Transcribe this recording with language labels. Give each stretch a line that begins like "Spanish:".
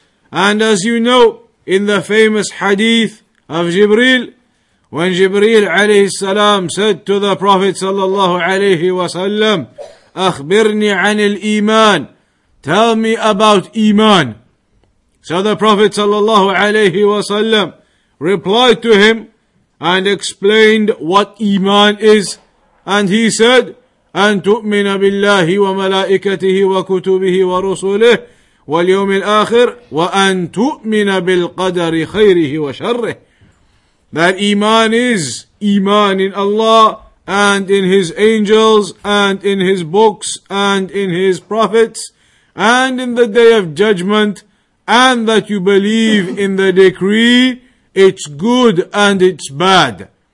English: And as you know, in the famous hadith of Jibreel, when Jibreel alayhi salam said to the Prophet sallallahu alayhi wa sallam,
Arabic: أخبرني عن الإيمان,
English: tell me about Iman. So the Prophet sallallahu alayhi wa sallam replied to him and explained what Iman is. And he said,
Arabic: أن تؤمن بالله وملائكته وكتبه ورسله واليوم الآخر وأن تؤمن بالقدر خيره وشره.
English: That Iman is Iman in Allah and in His angels and in His books and in His prophets and in the Day of Judgment, and that you believe in the decree, it's good and it's bad.